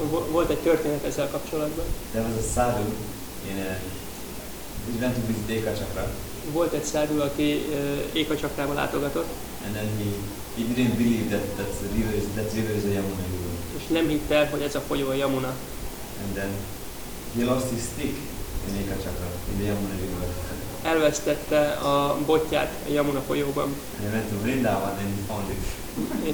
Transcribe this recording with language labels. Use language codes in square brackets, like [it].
[hu] Volt egy történet ezzel kapcsolatban. [en] There was a sadhu in a... He went to visit Eka Chakra. [hu] Volt egy sadhu, aki Eka Chakrába látogatott. [en] And then he didn't believe that that river is a Yamuna river. [hu] És nem hitt el, hogy ez a folyó a Yamuna. [en] And then he lost his stick in Eka Chakra, in the Yamuna river. [hu] Elvesztette a botját a Yamuna folyóban. [en] And he went to Vrindavan and he found it.